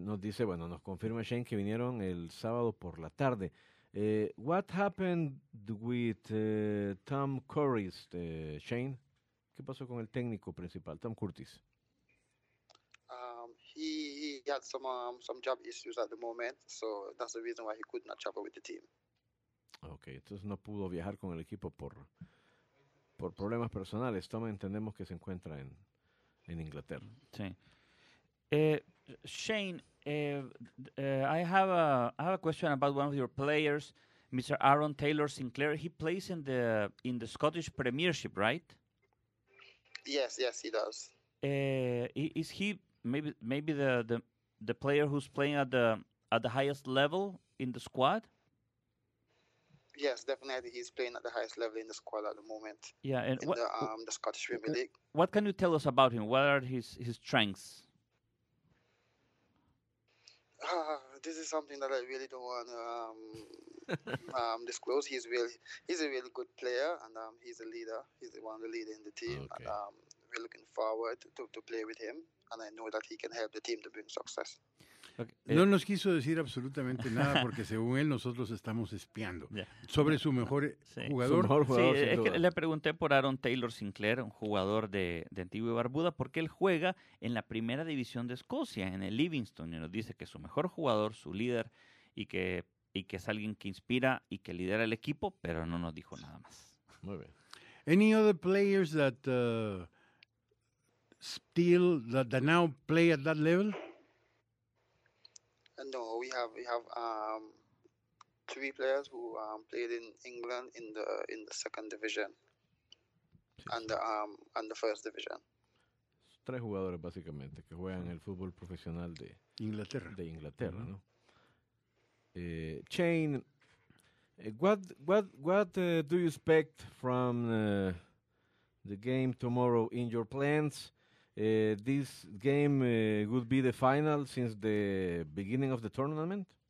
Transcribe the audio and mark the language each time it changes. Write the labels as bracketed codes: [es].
[es] Nos dice, bueno, nos confirma Shane que vinieron el sábado por la tarde. [en] What happened with Tom Curtis, Shane? [es] ¿Qué pasó con el técnico principal, Tom Curtis? [en] He had some job issues at the moment, so that's the reason why he could not travel with the team. [es] Okay, entonces no pudo viajar con el equipo por problemas personales. Tom, entendemos que se encuentra en Inglaterra. Sí. [en] Shane, I have a question about one of your players, Mr. Aaron Taylor Sinclair. He plays in the Scottish Premiership, right? Yes, he does. Is he maybe the player who's playing at the highest level in the squad? Yes, definitely he's playing at the highest level in the squad at the moment. Yeah, and in the Scottish Premier League. What can you tell us about him? What are his strengths? This is something that I really don't want to disclose. He's a really good player, and he's a leader. He's the one of the leader in the team. Okay. And, we're looking forward to play with him, and I know that he can help the team to bring success. Okay. [es] No nos quiso decir absolutamente nada porque según él nosotros estamos espiando. [en] Yeah. [es] Sobre su mejor jugador. Sí, su mejor jugador, sí, sin duda. Es que le pregunté por Aaron Taylor Sinclair, un jugador de Antigua y Barbuda, porque él juega en la primera división de Escocia, en el Livingston, y nos dice que su mejor jugador, su líder, y que es alguien que inspira y que lidera el equipo, pero no nos dijo nada más. Muy bien. [en] Any other players that still that now play at that level? No, we have three players who played in England in the second division and the first division. [es] Tres jugadores básicamente que juegan el fútbol profesional de Inglaterra. De Inglaterra, ¿no? [en] Shane, what do you expect from the game tomorrow in your plans? This game would be the final since the beginning of the tournament?